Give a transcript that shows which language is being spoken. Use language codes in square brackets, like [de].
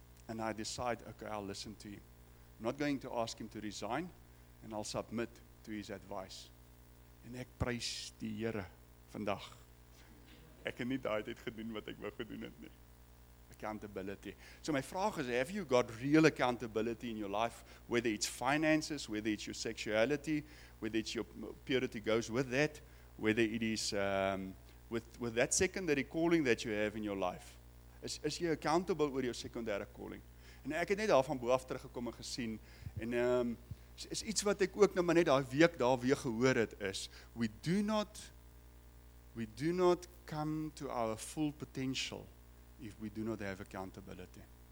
[en] And I decide, okay, I'll listen to him. I'm not going to ask him to resign, and I'll submit to his advice. [af] En ek prys die Here vandag. Ek het nie daai tyd gedoen wat ek wou gedoen het nie. [en] Accountability. [af] So my vraag is, [en] have you got real accountability in your life, whether it's finances, whether it's your sexuality, whether it's your purity goes with that, whether it is with that secondary calling that you have in your life. [af] Is jy accountable oor jou sekondêre calling? En ek het net daarvan bo af teruggekom en gesien, en is iets wat ek ook nou maar net daai week daar weer gehoor het, is [en] we do not come to our full potential if we do not have accountability.